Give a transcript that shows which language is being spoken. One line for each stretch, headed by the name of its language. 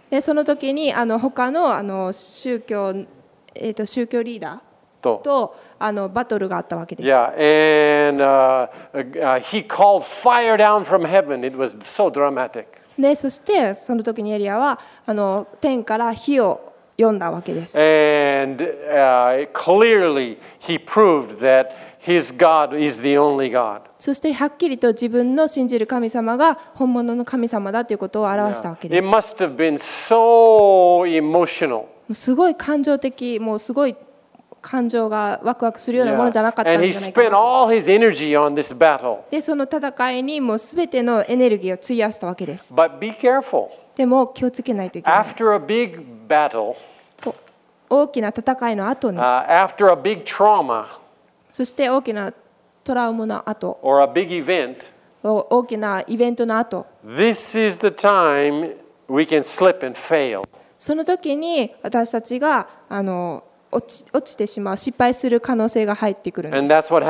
Japanese: でその時に他の宗教宗教リーダーとバトルがあったわけです。
English: Yeah, and he called fire down from heaven. It was so dramatic.
Japanese: で、そしてその時にエリアは天から火を呼んだわけです。
English: And clearly he proved that his God is the only God.
Japanese: そしてはっきりと自分の信じる神様が本物の神様だということを表したわけです。
English: Yeah. It must have been so emotional.
Japanese: すごい感情的、もうすごい感情がワクワクするようなものじゃなかったんじゃないかな。
English: Yeah. battle.
Japanese: で、その戦いにもう全てのエネルギーを費やしたわけです。
English: But be careful.
Japanese: でも気をつけないといけない。
English: After a big battle,
Japanese: 大きな戦いの後に、
English: after a big trauma,
Japanese: そして大きなトラウマの後、
English: or a big event,
Japanese: 大きなイベントの後、
English: This is the time we can slip and fail.
Japanese: その時に私たちが落ちてしまう、失敗する可能性が入ってくるんです。